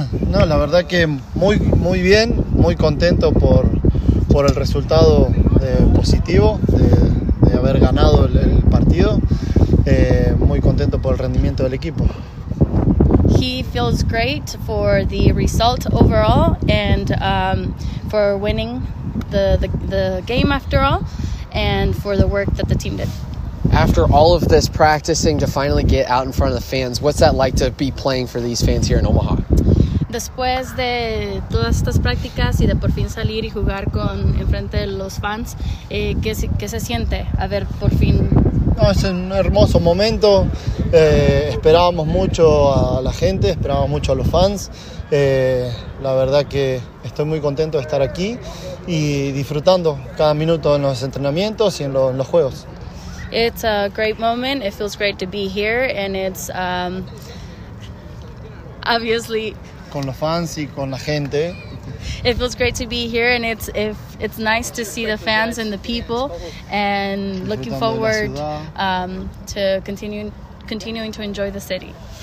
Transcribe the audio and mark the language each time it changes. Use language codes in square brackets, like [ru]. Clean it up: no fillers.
[es] No, la verdad que muy, muy bien, muy contento por el resultado positivo de haber ganado el partido. Muy contento por el rendimiento del equipo. [en] He feels great for the result overall and for winning the game after all and for the work that the team did. After all of this practicing to finally get out in front of the fans, what's that like to be playing for these fans here in Omaha? [es] Después de todas estas prácticas y de por fin salir y jugar con enfrente de los fans, ¿qué se siente haber por fin? No, es un hermoso momento. Esperábamos mucho a la gente, esperábamos mucho a los fans. La verdad que estoy muy contento de estar aquí y disfrutando cada minuto en los entrenamientos y en los juegos. [en] It's a great moment. It feels great to be here, and it's obviously [es] con los fans y con la gente. [en] It feels great to be here, and it's nice to see the fans and the people, and looking forward to continuing to enjoy the city.